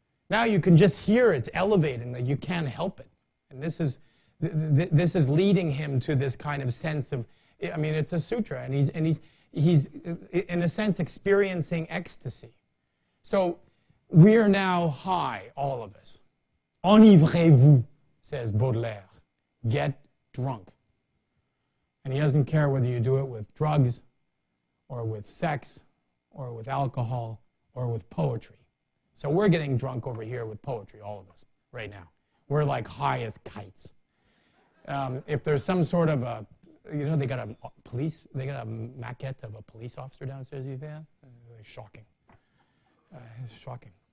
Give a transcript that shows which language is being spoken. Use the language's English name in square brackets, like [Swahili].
[English] Now you can just hear it's elevating, that you can't help it. And this is leading him to this kind of sense of, I mean, it's a sutra, and he's in a sense experiencing ecstasy. So we are now high, all of us. [French] Enivrez-vous, [English] says Baudelaire. Get drunk. And he doesn't care whether you do it with drugs or with sex or with alcohol or with poetry. So we're getting drunk over here with poetry, all of us, right now. We're like high as kites. If there's some sort of a, you know, they got a maquette of a police officer downstairs, you think? Shocking. Shocking.